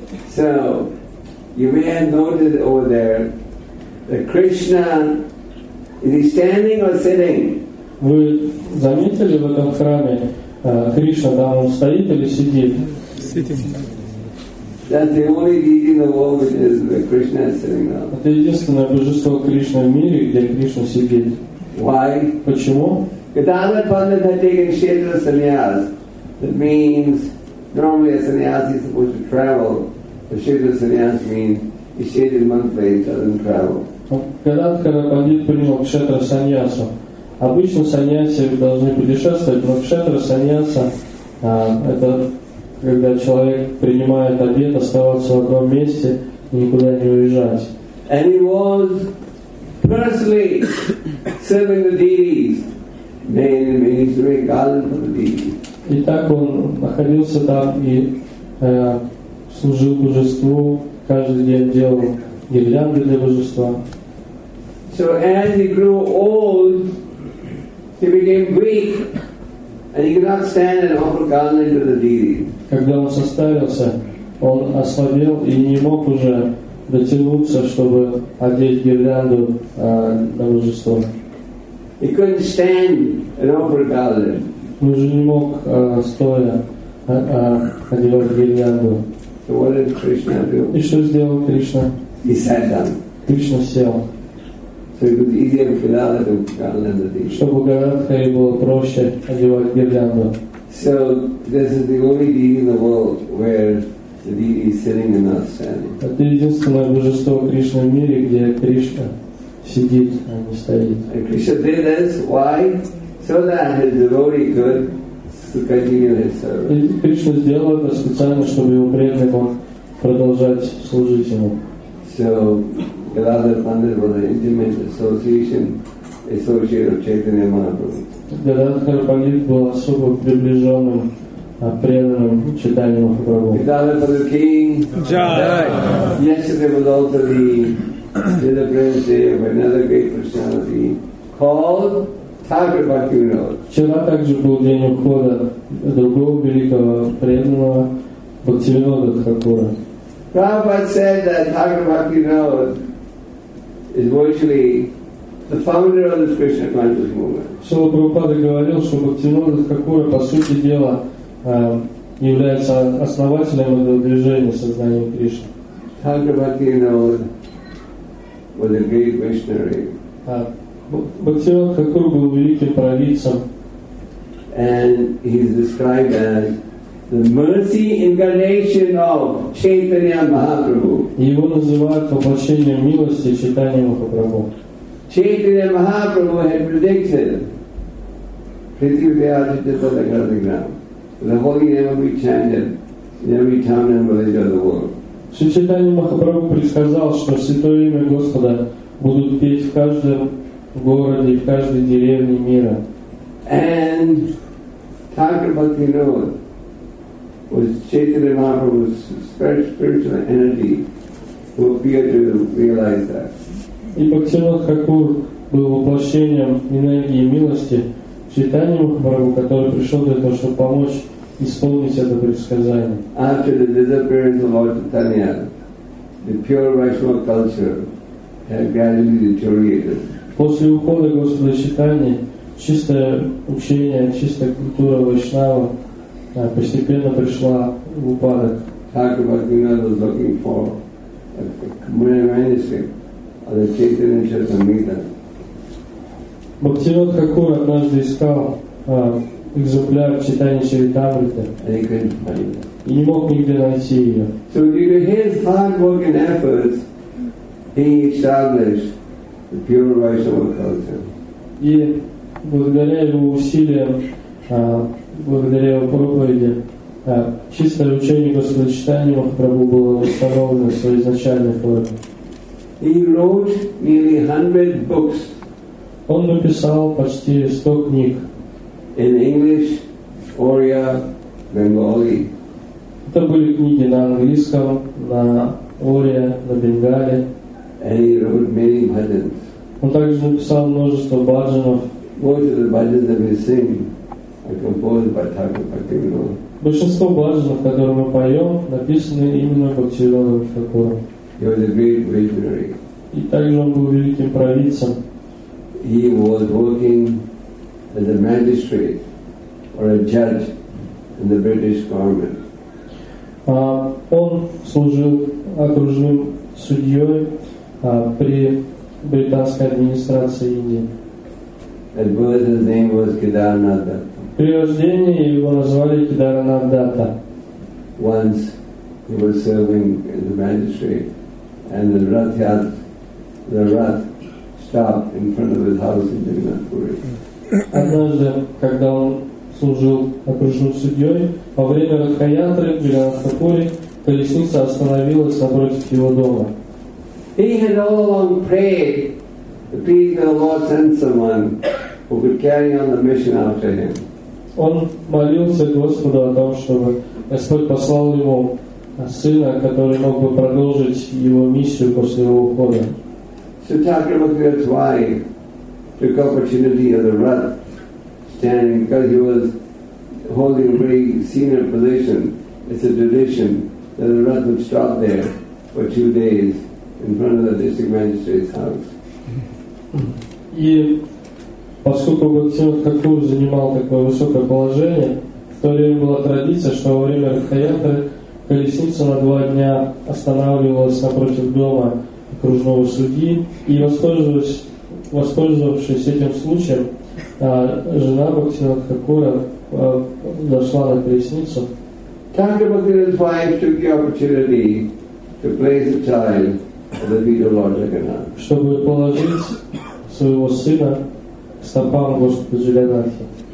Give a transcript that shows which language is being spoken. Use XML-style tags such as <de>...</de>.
<en>So, you may have noted over there that Krishna, is he standing or sitting?</en> <ru>Вы заметили в этом храме Кришна, да, он стоит или сидит?</ru> <en>That's the only deity in the world which is where Krishna is sitting now.</en> <ru>Это единственное божество Кришна в мире, где Кришна сидит.</ru> <en>Why?</en> <ru>Почему?</ru> <en>Gadadhar Pandit had taken Kshetra Sannyas. That means normally a sannyas is supposed to travel. But Kshetra Sannyas means he stayed in one place, doesn't travel.</en> <ru>Gadadhar Pandit принял Кшетра Саньяса. Обычно саньяси должны путешествовать, но Кшетра Саньяса это когда человек принимает обет оставаться в одном месте и никуда не уезжать.</ru> <en>And he was personally serving the deities.</en> <ru>И так он находился там и служил божеству, каждый день делал гирлянды для божества.</ru> <en>So as he grew old, he became weak. And he could not stand and offer garland to the deity.</en> <ru>Когда он состарился, он ослабел и не мог уже дотянуться, чтобы одеть гирлянду на божество.</ru> <en>He couldn't stand and offer garland.</en> <ru>Он уже не мог стоя одевать гирлянду.</ru> <en>So what did Krishna do?</en> <ru>И что сделал Кришна?</ru> <en>He sat down.</en> <ru>Кришна сел.</ru> <en>So it was easier for Gadadhar to garland the deity.</en> <ru>Чтобы Гададхаре было проще одевать гирлянду.</ru> <en>So this is the only deity in the world where the deity is sitting and not standing.</en> <ru>Это единственное божество Кришны в мире, где Кришна сидит, а не стоит.</ru> <en>And Krishna did this, why? So that his devotee could continue his service.</en> <ru>Кришна сделал это специально, чтобы его преданный мог продолжать служить ему.</ru> <en>So Gadadhar Pandit was an intimate associate of Chaitanya Mahaprabhu.</en> <ru>Gadadhar Pandit был особо приближенным, преданным Чайтанье Махапрабху.</ru> <en>Gadadhar for the king. Jai. Yesterday was also the celebration of another great personality called Thakur Bhaktivinoda.</en> <ru>Вчера также был день ухода другого великого преданного Бхактивинода Тхакура.</ru> <en>Prabhupada said that Thakur Bhaktivinoda is virtually the founder of the Krishna conscious movement.</en> <ru>Шрила Прабхупада говорил, что Бхактивинода Такура, по сути дела, является основателем этого движения сознания Кришны. Бхактивинода Такура был великим провидцем.</ru> <en>And he's described as the mercy incarnation of Chaitanya Mahaprabhu.</en> <ru>Его называют воплощением милости Чайтанья Махапрабху.</ru> <en>Chaitanya Mahaprabhu had predicted the holy name will be chanted in every town and village of the world.</en> <ru>Шри Чайтанья Махапрабху предсказал, что святое имя Господа будут петь в каждом городе и в каждой деревне мира.</ru> <en>And Thakur Bhaktivinod was Chaitanya Mahaprabhu's spiritual energy who appeared to realize that.</en> <ru>И Бхактивинод Такур был воплощением энергии и милости Чайтанья Махапрабху, который пришел для того, чтобы помочь исполнить это предсказание.</ru> <en>After the disappearance of Lord Chaitanya, the pure Vaishnava culture had gradually deteriorated.</en> <ru>После ухода Господа Чайтаньи, чистое учение, чистая культура Вайшнава постепенно пришла в упадок.</ru> <en>Thakur Bhaktivinod was looking for a manuscript of the Chaitanya Charitamrita.</en> <ru>Бхактивинод Такур однажды искал экземпляр Чайтаньи Чаритамриты и не мог нигде найти ее.</ru> <en>So due to his hard work and efforts, he established the pure Vaishnava culture.</en> <ru>И благодаря его усилиям, благодаря его проповеди, чистое учение Господа Чайтанья Махапрабху было установлено в своей изначальной форме.</ru> <en>He wrote nearly 100 books.</en> <ru>Он написал почти 100 книг.</ru> <en>In English, Oriya, Bengali.</en> <ru>Это были книги на английском, на Ория, на Бенгале.</ru> <en>And he wrote many bhajans.</en> <ru>Он также написал множество бхаджанов.</ru> <en>Most of the bhajans that we sing are composed by Thakur Bhaktivinoda.</en> <ru>Большинство бхаджанов, которые мы поем, написаны именно Бхактивинодом Такуром.</ru> <en>He was a great visionary.</en> <ru>И также он был великим провидцем.</ru> <en>He was working as a magistrate or a judge in the British government.</en> <ru>Он служил окружным судьей при британской администрации Индии.</ru> <en>At birth, his name was Kedarnath Datta.</en> <ru>При рождении его назвали Кедарнат Датта.</ru> <en>Once he was serving as a magistrate, and the rath stopped in front of his house in Jagannathpuri.</en> <ru>Однажды, когда он служил окружным судьей, во время Ратхаятры в Джаганнатхапуре колесница остановилась напротив его дома.</ru> <en>He had all along prayed to please the Lord send someone who could carry on the mission after him.</en> <ru>Он молился Господу о том, чтобы Господь послал ему сына, который мог бы продолжить его миссию после его ухода.</ru> <en>So Thakur Bhaktivinoda's wife took opportunity of the rat standing because he was holding a very senior position. It's a tradition that the rat would stop there for 2 days in front of the district magistrate's house.</en> <ru>И поскольку Бхактивинод Такур занимал такое высокое положение, в то время была традиция, что во время Ратхаятры колесница на 2 дня останавливалась напротив дома окружного судьи, и воспользовавшись этим случаем, жена Бхактивинод Такура дошла на колесницу.</ru> <en>Thakur Bhaktivinoda's wife took the opportunity to place the child at the feet of Lord Jagannath.</en> <ru>Чтобы положить своего сына к стопам Господа Джаганнатха.</ru>